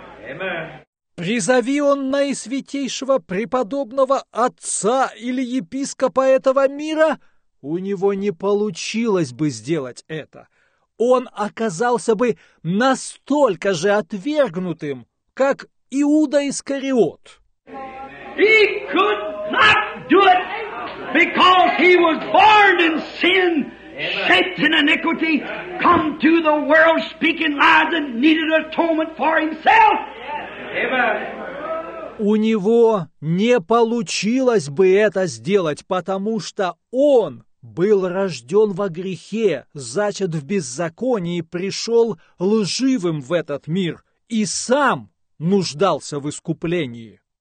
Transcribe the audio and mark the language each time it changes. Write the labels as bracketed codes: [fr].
[en] Amen. [ru] Призови он наисвятейшего преподобного отца или епископа этого мира, у него не получилось бы сделать это. Он оказался бы настолько же отвергнутым, как Иуда Искариот. [en] He could not do it because he was born in sin. Shaped in iniquity, come to the world speaking lies and needed atonement for himself. Amen. [ru] У него не получилось бы это сделать, потому что он был рожден во грехе, зачат в беззаконии, пришел лживым в этот мир и сам нуждался в искуплении.